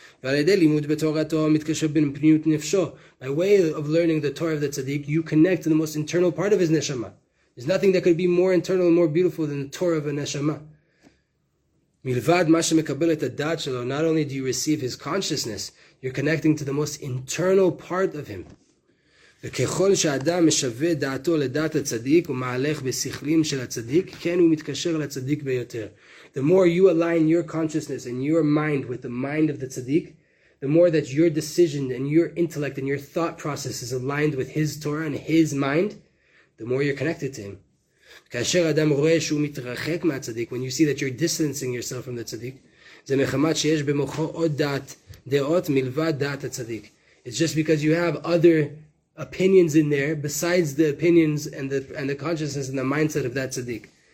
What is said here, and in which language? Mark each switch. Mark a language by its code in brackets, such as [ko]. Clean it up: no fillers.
[en] By way of learning the Torah of the tzaddik, you connect to the most internal part of his neshama. There's nothing that could be more internal and more beautiful than the Torah of a neshama. [he] Milvad ma shemekabel et hadat shelo. [en] Not only do you receive his consciousness, you're connecting to the most internal part of him. [he] וככל שאדם משווה דעתו לדעת הצדיק ומהלך בשכלים של הצדיק, כן הוא מתקשר לצדיק ביותר. [en] The more you align your consciousness and your mind with the mind of the tzaddik, the more that your decision and your intellect and your thought process is aligned with his Torah and his mind, the more you're connected to him. [he] כאשר אדם רואה שהוא מתרחק מהצדיק, [en] when you see that you're distancing yourself from the tzaddik, [he] זה מחמת שיש במוחו עוד דעות מלבד דעת הצדיק. [en] It's just because you have other opinions in there besides the opinions and the consciousness and the mindset of that tzaddik.